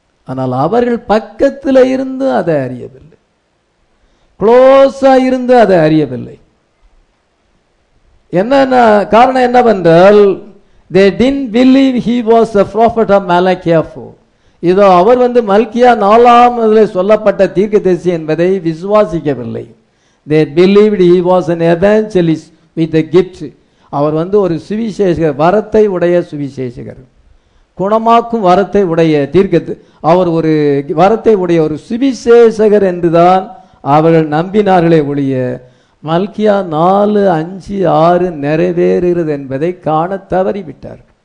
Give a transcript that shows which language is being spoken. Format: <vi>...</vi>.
<ta>ஆனால் அவர்கள் பக்கத்தில் இருந்து அதை அறியவில்லை, க்ளோஸா இருந்து அதை அறியவில்லை. என்ன காரணம் என்னவென்றால்,</ta> <en>they didn't believe he was a prophet of Malachi 4.</en> <ta>இதோ அவர் வந்து மல்கியா 4வதுல சொல்லப்பட்ட தீர்க்கதரிசி என்பதை விசுவாசிக்கவில்லை.</ta> <en>They believed he was an evangelist with a gift.</en> <ta>அவர் வந்து ஒரு சுவிசேஷகர், வரத்தை உடைய சுவிசேஷகர், குணமாக்கும் வரத்தை உடைய ஒரு சுவிசேஷகர் என்றுதான் அவர்கள் நம்பினார்களே ஒழிய மல்கியா 4, 5, 6 நிறைவேறுகிறது என்பதை காண தவறிவிட்டார்.</ta>